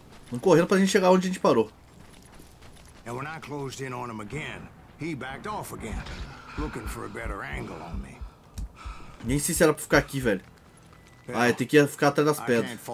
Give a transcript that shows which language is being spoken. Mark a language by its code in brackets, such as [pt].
[pt] Vamos correndo pra gente chegar onde a gente parou. E quando eu [en] closed in on him again, he backed off again, looking for a better angle on me. [pt] Nem sei se era pra ficar aqui, velho. Ah, tem que ficar atrás das pedras.